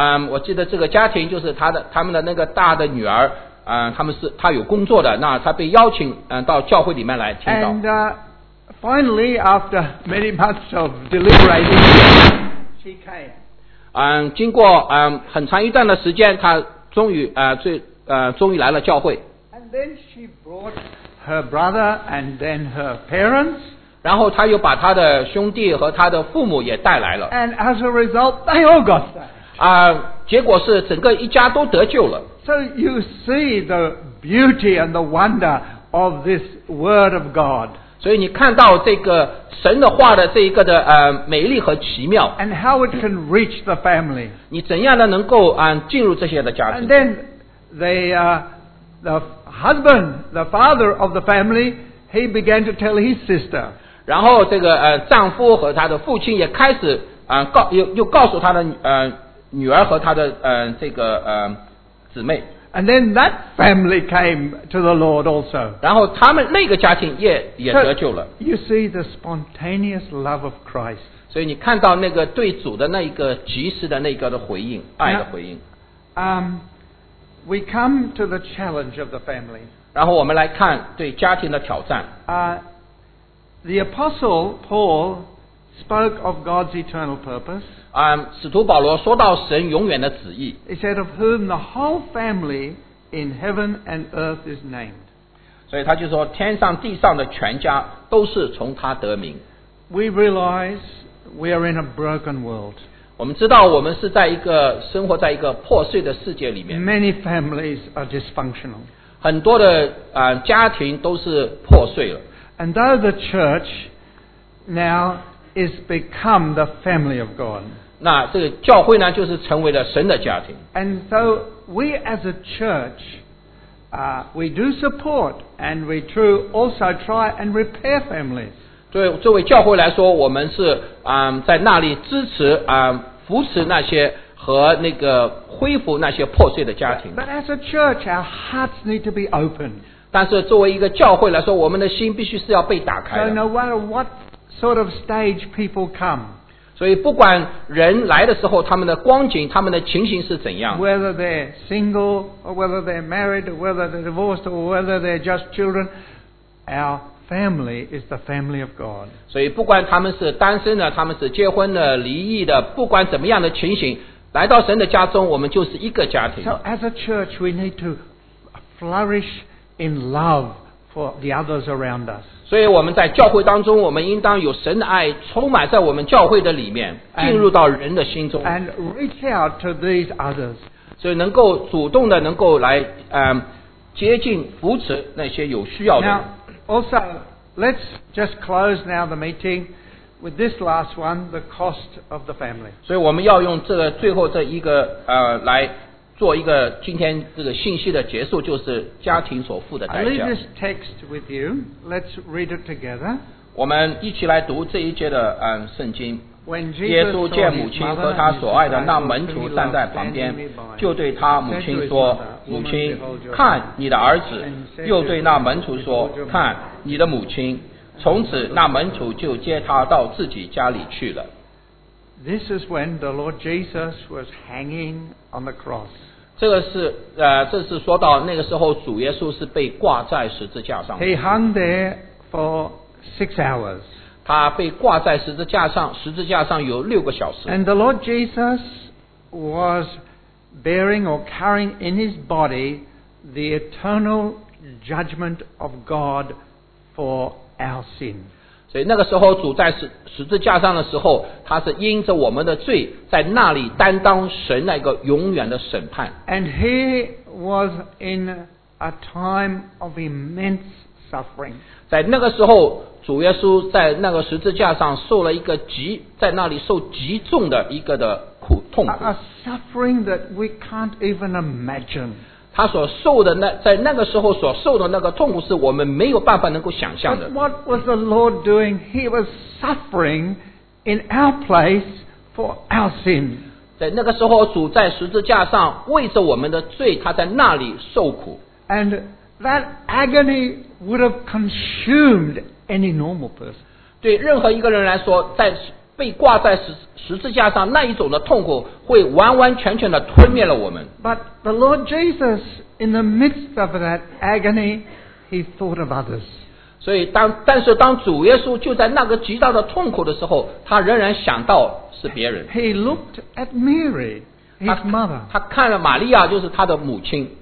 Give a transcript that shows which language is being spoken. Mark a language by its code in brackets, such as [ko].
[zh] 我记得这个家庭就是他们的那个大的女儿，他有工作的，那他被邀请到教会里面来听到。 [en] And finally, after many months of deliberating, she came. [zh] 经过很长一段的时间，他终于来了教会。 [en] And then she brought her brother and then her parents. [zh] 然后他又把他的兄弟和他的父母也带来了。 [en] And as a result, they all got saved. [zh] 结果是整个一家都得救了。 [en] So you see the beauty and the wonder of this word of God. [zh] 所以你看到这个神的话的这一个的美丽和奇妙。 [en] And how it can reach the family. [zh] 你怎样的能够进入这些的家庭。 [en] And then the husband, the father of the family, he began to tell his sister. [zh] 然后这个丈夫和他的父亲也开始又告诉他的女儿和他的这个姊妹。 [en] And then that family came to the Lord also. [zh] 然后他们那个家庭也得救了。 [en] So, you see the spontaneous love of Christ. [zh] 所以你看到那个对主的那一个及时的那个的回应，爱的回应。 [en] We come to the challenge of the family. [zh] 然后我们来看对家庭的挑战。 [en] The apostle Paul spoke of God's eternal purpose. [zh] 使徒保罗说到神永远的旨意。 [en] He said, "Of whom the whole family in heaven and earth is named." [zh] 所以他就说，天上地上的全家都是从他得名。 [en] We realize we are in a broken world. [zh] 我们知道我们是在一个生活在一个破碎的世界里面。 [en] Many families are dysfunctional. [zh] 很多的家庭都是破碎了。 [en] And though the church now is become the family of God, [zh] 那这个教会呢，就是成为了神的家庭。 [en] And so we as a church, we do support and we do also try and repair families. [zh] 对作为教会来说，我们是在那里支持扶持那些和那个恢复那些破碎的家庭。 [en] But as a church, our hearts need to be open. [zh] 但是作为一个教会来说，我们的心必须是要被打开的。 [en] So no matter what sort of stage people come, [zh] 所以不管人来的时候，他们的光景、他们的情形是怎样。 [en] Whether they're single, or whether they're married, or whether they're divorced, or whether they're just children, our family is the family of God. [zh] 所以不管他们是单身的、他们是结婚的、离异的，不管怎么样的情形，来到神的家中，我们就是一个家庭。 [en] So as a church, we need to flourish. In love for the others around us. [zh] 所以我们在教会当中，我们应当有神的爱充满在我们教会的里面，进入到人的心中。 [en] And reach out to these others. [zh] 所以能够主动的能够来接近扶持那些有需要的。 [en] Now, also, let's just close now the meeting with this last one, the cost of the family. [zh] 所以我们要用这个最后这一个来。做一个今天这个信息的结束，就是家庭所付的代价。 [en] I'll leave this text with you. Let's read it together. [zh] 我们一起来读这一节的圣经。 [en] When Jesus [zh] 耶稣见母亲和他所爱的那门徒站在旁边，就对他母亲说：“母亲，看你的儿子。” 又对那门徒说：“看你的母亲。” 从此，那门徒就接他到自己家里去了。 [en] This is when the Lord Jesus was hanging on the cross. [zh] 这是说到那个时候主耶稣是被挂在十字架上。 [en] He hung there for 6 hours. [zh] 他被挂在十字架上，十字架上有六个小时。 [en] And the Lord Jesus was bearing or carrying in his body the eternal judgment of God for our sin. [zh] 所以那个时候主在十字架上的时候，他是因着我们的罪在那里担当神那个永远的审判。 [en] And he was in a time of immense suffering. [zh] 在那个时候主耶稣在那个十字架上受了一个在那里受极重的一个的苦痛苦。 [en] A suffering that we can't even imagine. [zh] 他所受的在那个时候所受的那个痛苦是我们没有办法能够想象的。 [en] But what was the Lord doing? He was suffering in our place for our sin. [zh] 在那个时候主在十字架上为着我们的罪他在那里受苦。 [en] And that agony would have consumed any normal person. [zh] 对任何一个人来说在被挂在十字架上那一种的痛苦会完完全全的吞灭了我们。 [en] But the Lord Jesus, in the midst of that agony, he thought of others. [zh] 所以但是当主耶稣就在那个极大的痛苦的时候，他仍然想到是别人。 [en] He looked at Mary, his mother. [zh] 他看了玛利亚，就是他的母亲。